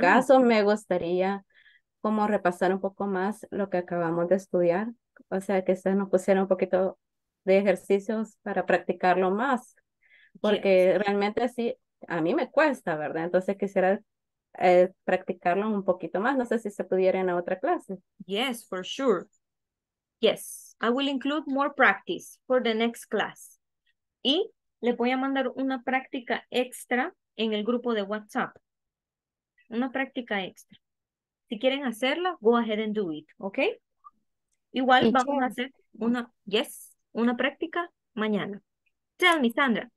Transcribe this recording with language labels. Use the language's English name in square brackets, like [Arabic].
[Spanish] caso, me gustaría como repasar un poco más lo que acabamos de estudiar. O sea, que se nos pusiera un poquito de ejercicios para practicarlo más. Porque yes. realmente sí, a mí me cuesta, ¿verdad? Entonces quisiera practicarlo un poquito más. No sé si se pudiera en otra clase. [English] Yes, for sure. Yes, I will include more practice for the next class. [Spanish] Y le voy a mandar una práctica extra en el grupo de WhatsApp. Una práctica extra. Si quieren hacerla, [English] go ahead and do it, [Spanish] ¿ok? Igual y vamos a hacer una, yes, una práctica mañana. [English] Tell me, Sandra.